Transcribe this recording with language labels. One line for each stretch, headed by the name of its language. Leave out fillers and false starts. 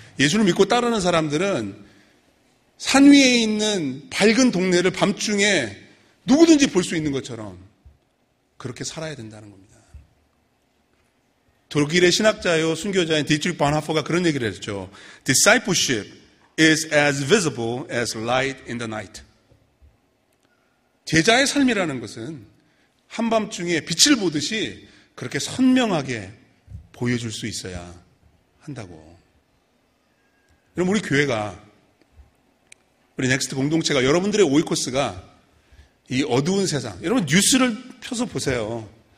Korean: 예수를 믿고 따르는 사람들은 산 위에 있는 밝은 동네를 밤중에 누구든지 볼 수 있는 것처럼 그렇게 살아야 된다는 겁니다. 독일의 신학자요, 순교자인 디트리히 본하퍼가 그런 얘기를 했죠.
English: Discipleship is as visible as light in the night.
Korean: 제자의 삶이라는 것은 한밤중에 빛을 보듯이 그렇게 선명하게 보여줄 수 있어야 한다고. 그럼 우리 교회가, 우리 넥스트 공동체가, 여러분들의 오이코스가 이 어두운 세상, 여러분 뉴스를 펴서 보세요.